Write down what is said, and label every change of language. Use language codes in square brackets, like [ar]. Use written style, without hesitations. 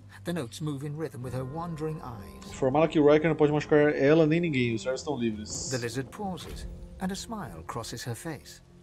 [en] The notes move in rhythm with her wandering eyes. [pt] Informá-la que Riker não pode machucar ela nem ninguém. Os servos estão livres. [en] The lizard pauses, and a smile crosses her face.